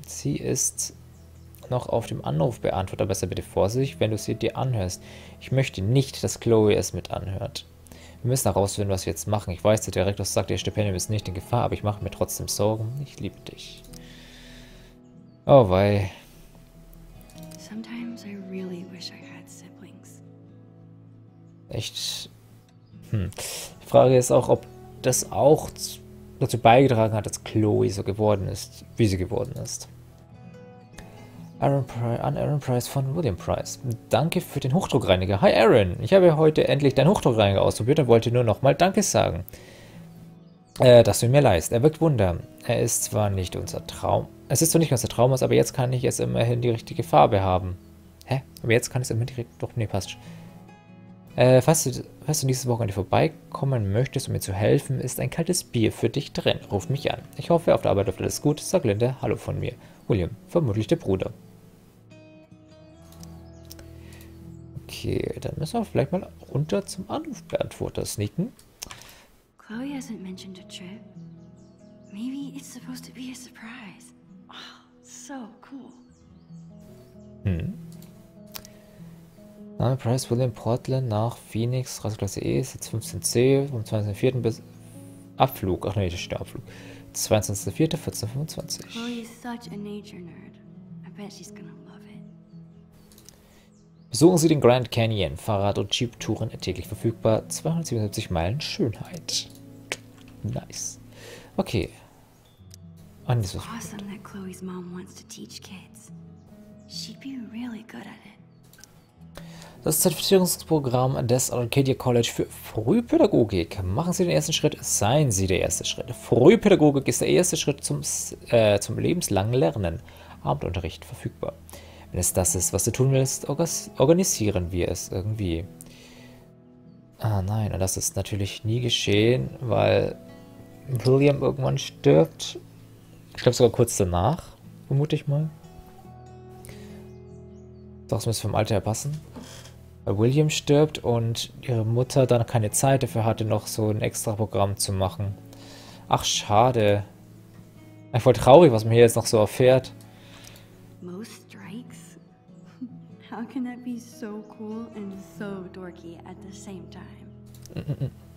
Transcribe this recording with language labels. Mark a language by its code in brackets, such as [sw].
[de] Sie ist noch auf dem Anrufbeantworter. Besser bitte vorsichtig, wenn du sie dir anhörst. Ich möchte nicht, dass Chloe es mit anhört. Wir müssen herausfinden, was wir jetzt machen. Ich weiß, der Direktor sagt, ihr Stipendium ist nicht in Gefahr, aber ich mache mir trotzdem Sorgen. Ich liebe dich. Oh, wei. [en] Sometimes I really wish I had siblings. [de] Echt? Die Frage ist auch, ob das auch dazu beigetragen hat, dass Chloe so geworden ist, wie sie geworden ist. Aaron an Aaron Price von William Price. Danke für den Hochdruckreiniger. Hi Aaron, ich habe heute endlich deinen Hochdruckreiniger ausprobiert und wollte nur nochmal Danke sagen, dass du ihn mir leist. Er wirkt Wunder. Er ist zwar nicht unser Traum. Es ist zwar nicht unser Traum, aber jetzt kann ich es immerhin die richtige Farbe haben. Hä? Aber jetzt kann es immerhin direkt. Doch, nee, passt. Falls du nächstes Wochenende vorbeikommen möchtest, um mir zu helfen, ist ein kaltes Bier für dich drin. Ruf mich an. Ich hoffe, auf der Arbeit läuft alles gut. Sag Linda, hallo von mir. William, vermutlich der Bruder. Okay, dann müssen wir vielleicht mal runter zum Anrufbeantworter sneaken. [en] Chloe hasn't mentioned a trip. Maybe it's supposed to be a surprise. Oh, so cool. [de] Name Price William Portland nach Phoenix, Reiseklasse E, Sitz 15C, vom 22.04. bis Abflug. Ach nee, das ist der Abflug. 22.04.14.25. [en] Chloe is such a nature nerd. I bet she's gonna love it. [de] Besuchen Sie den Grand Canyon. Fahrrad- und Jeep-Touren täglich verfügbar. 277 Meilen Schönheit. Nice. Okay. Und das ist [en] awesome, that Chloe's mom wants to teach kids. She'd be really good at it. [de] Das Zertifizierungsprogramm des Arcadia College für Frühpädagogik. Machen Sie den ersten Schritt, seien Sie der erste Schritt. Frühpädagogik ist der erste Schritt zum lebenslangen Lernen. Abendunterricht verfügbar. Wenn es das ist, was du tun willst, organisieren wir es irgendwie. Ah nein, und das ist natürlich nie geschehen, weil William irgendwann stirbt. Ich glaube sogar kurz danach, vermute ich mal. Doch, es müsste vom Alter her passen. Weil William stirbt und ihre Mutter dann keine Zeit dafür hatte, noch so ein extra Programm zu machen. Ach, schade. Ich voll traurig, was man hier jetzt noch so erfährt. [en] Most strikes? How can that be so cool and so dorky at the same time?